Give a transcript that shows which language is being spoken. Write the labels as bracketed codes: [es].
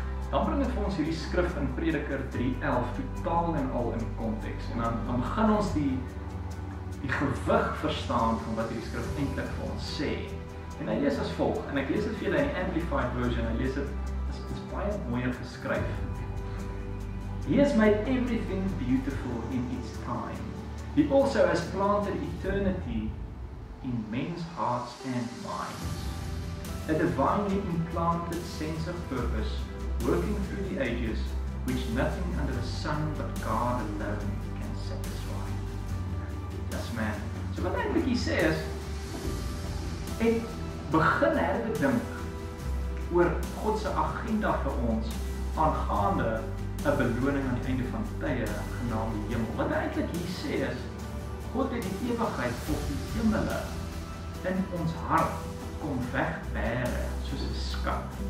[af] Dan bring dit vir ons hierdie skrif in Prediker 3:11 totaal en al in konteks. En dan begin ons die gewig verstaan van wat hierdie skrif eintlik vir ons sê. En hy lees as volg, en ek lees dit vir julle in die Amplified Version, hy lees dit, is baie mooier geskryf. [en] He has made everything beautiful in its time. He also has planted eternity in men's hearts and minds. A divinely implanted sense of purpose, working through the ages, which nothing under the sun but God alone can satisfy. Yes, man. So what I think he says, [af] en begin herbedink oor God se agenda vir ons aangaande 'n beloning aan die einde van tye genaamd die hemel. Wat hy eintlik hier sê is God het die ewigheid op die hemele in ons hart kom wegbere soos 'n skat.